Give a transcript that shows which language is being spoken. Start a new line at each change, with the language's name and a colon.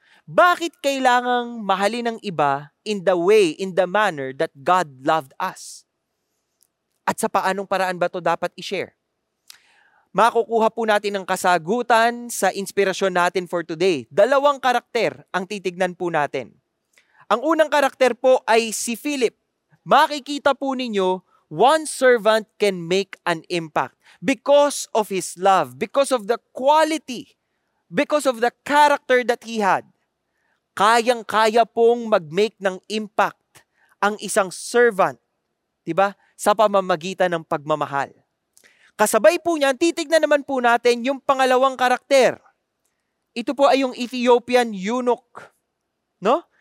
Filipino: Bakit kailangang mahalin ang iba
English: in the way, in the manner that God loved us?
Filipino: At sa paanong paraan ba ito dapat i-share? Makukuha po natin ang kasagutan sa inspirasyon natin
English: for today.
Filipino: Dalawang karakter ang titignan po natin. Ang unang karakter po ay si Philip. Makikita po ninyo,
English: one servant can make an impact because of his love, because of the quality, because of the character that he had.
Filipino: Kayang-kaya pong mag-make ng impact ang isang servant. Diba? Sa pamamagitan ng pagmamahal. Kasabay po niyan, titignan naman po natin yung pangalawang karakter. Ito po ay yung Ethiopian eunuch. No?